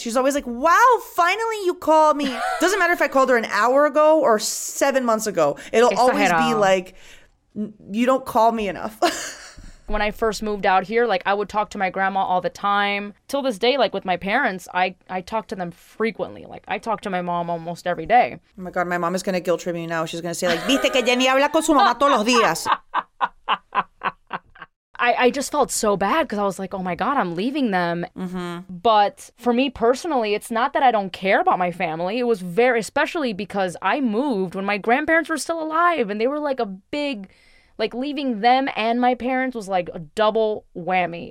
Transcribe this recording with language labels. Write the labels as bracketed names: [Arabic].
[English] She's always like, wow, finally you called me. Doesn't matter if I called her an hour ago or 7 months ago. It'll always be like, you don't call me enough. When I first moved out here, like I would talk to my grandma all the time. Till this day, like with my parents, I talk to them frequently. Like I talk to my mom almost every day. Oh my God, my mom is going to guilt trip me now. She's going to say like, [Spanish] viste que Jenny habla con su mamá todos los días. [English] I just felt so bad because I was like, oh my God, I'm leaving them. Mm-hmm. But for me personally, it's not that I don't care about my family. It was very, especially because I moved when my grandparents were still alive and they were like a big, like leaving them and my parents was like a double whammy.